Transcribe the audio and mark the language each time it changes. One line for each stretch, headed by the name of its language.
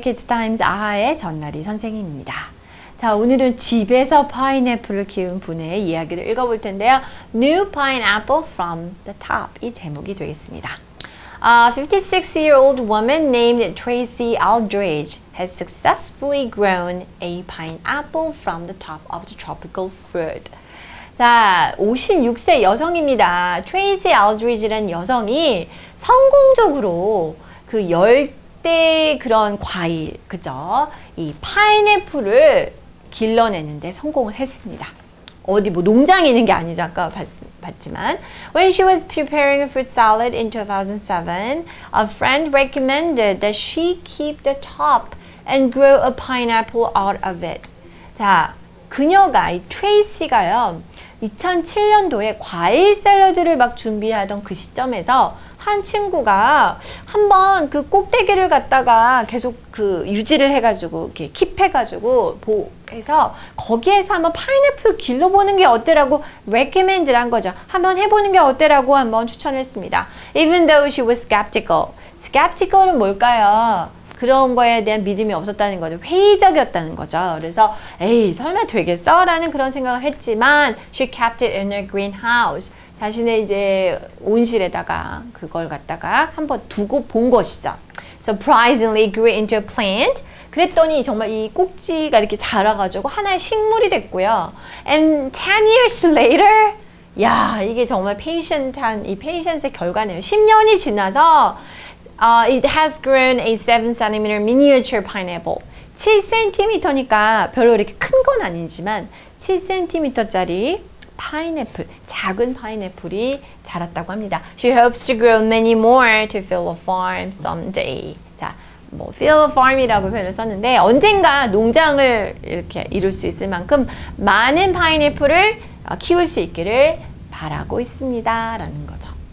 Korean: Kids Times 아하의 전나리 선생님입니다. 자, 오늘은 집에서 파인애플을 키운 분의 이야기를 읽어볼 텐데요. New Pineapple from the Top 이 제목이 되겠습니다.
English: A 56-year-old woman named Tracy Aldridge has successfully grown a pineapple from the top of the tropical fruit.
Korean: 자, 56세 여성입니다. Tracy Aldridge라는 여성이 성공적으로 그 열대 그런 과일, 그죠? 이 파인애플을 길러내는데 성공을 했습니다. 어디 뭐 농장에 있는 게 아니죠, 아까 봤지만.
English: When she was preparing a fruit salad in 2007, a friend recommended that she keep the top and grow a pineapple out of it.
Korean: 자, 그녀가, 이 트레이시가요, 2007년도에 과일 샐러드를 막 준비하던 그 시점에서 한 친구가 한번 그 꼭대기를 갖다가 계속 그 유지를 해가지고 이렇게 킵해가지고 해서 거기에서 한번 파인애플 길러보는 게 어때라고 recommend를 한 거죠. 한번 해보는 게 어때라고 한번 추천했습니다.
English: Even though she was skeptical.
Korean: Skeptical은 뭘까요? 그런 거에 대한 믿음이 없었다는 거죠. 회의적이었다는 거죠. 그래서 에이 설마 되겠어? 라는 그런 생각을 했지만
English: she kept it in her greenhouse.
Korean: 자신의 이제 온실에다가 그걸 갖다가 한번 두고 본 것이죠.
English: Surprisingly grew into a plant.
Korean: 그랬더니 정말 이 꼭지가 이렇게 자라가지고 하나의 식물이 됐고요.
English: And 10 years later,
Korean: 야 이게 정말 patient한 이 patience의 결과네요. 10년이 지나서
English: it has grown a 7cm miniature pineapple.
Korean: 7cm니까 별로 이렇게 큰 건 아니지만 7cm짜리 파인애플, 작은 파인애플이 자랐다고 합니다.
English: She hopes to grow many more to fill a farm someday.
Korean: 자, 뭐
English: fill a farm
Korean: 이라고 표현을 썼는데 언젠가 농장을 이렇게 이룰 수 있을 만큼 많은 파인애플을 키울 수 있기를 바라고 있습니다. 라는 거죠.